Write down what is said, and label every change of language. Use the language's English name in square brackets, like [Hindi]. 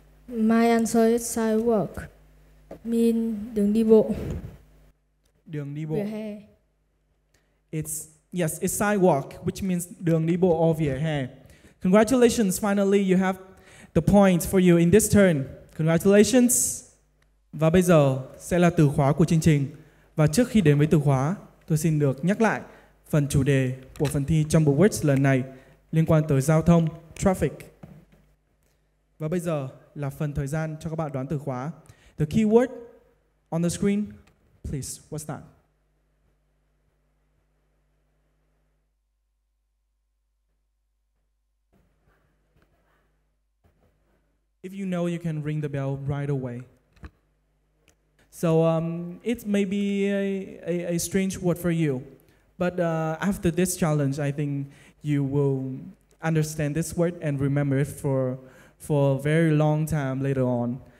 [English] My answer is sidewalk. Mean [Vietnamese] đường đi bộ. Đường đi bộ. Vỉa hè. [English] It's sidewalk, which means [Vietnamese] đường đi bộ [English] or [Vietnamese] vỉa hè. [English] Congratulations, finally you have the points for you in this turn. Congratulations. [Vietnamese] Và bây giờ sẽ là từ khóa của chương trình. Và trước khi đến với từ khóa, tôi xin được nhắc lại phần chủ đề của phần thi Jumble Words lần này liên quan tới giao thông, traffic. Và bây giờ là phần thời gian cho các bạn đoán từ khóa. [English] The keyword on the screen, please, what's that? If you know, you can ring the bell right away. So it may be a strange word for you, but after this challenge, I think you will understand this word and remember it for a very long time later on.